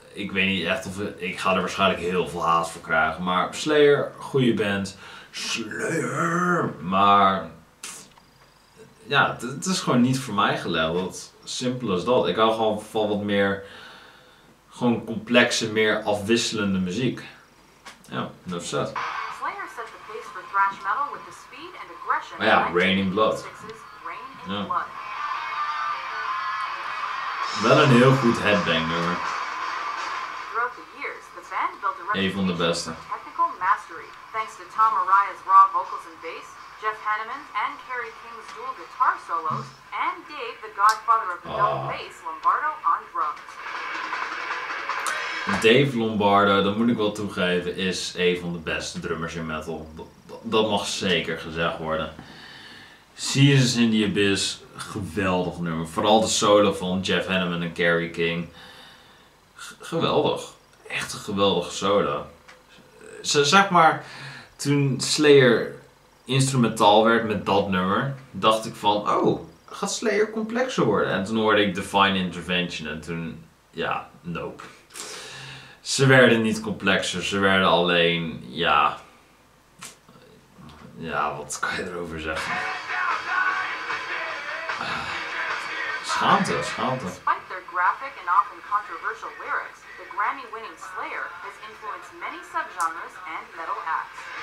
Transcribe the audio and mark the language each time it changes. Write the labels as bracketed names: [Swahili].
[Dutch] Ik weet niet echt of ik ga er waarschijnlijk heel veel haat voor krijgen. Maar Slayer, goede band. Slayer! Maar ja, het is gewoon niet voor mij gelegd. Simpel als dat. Ik hou gewoon van wat meer... Gewoon complexe, meer afwisselende muziek. [English] Ja, enough said. Slayer set the pace for thrash metal with the speed and aggression. [Dutch] Oh ja, Rain in Blood. Ja. Wel een heel goed headbanger. [English] Throughout the years, the band built a reputation for technical mastery. Thanks to Tom Araya's raw vocals and bass, Jeff Hanneman's and Kerry King's dual guitar solos, and Dave, the godfather of the double bass, Lombardo on drums. [Dutch] Dave Lombardo, dat moet ik wel toegeven, is een van de beste drummers in metal. Dat mag zeker gezegd worden. Seasons in the Abyss, geweldig nummer. Vooral de solo van Jeff Hanneman en Kerry King. Geweldig. Echt een geweldige solo. Zeg maar, toen Slayer instrumentaal werd met dat nummer, dacht ik van, oh, gaat Slayer complexer worden? En toen hoorde ik Divine Intervention en toen, ja, nope. Ze werden niet complexer, ze werden alleen, ja... Ja, wat kan je erover zeggen? Schaamte. [English] Despite their graphic and often controversial lyrics, the Grammy-winning Slayer has influenced many subgenres and metal acts.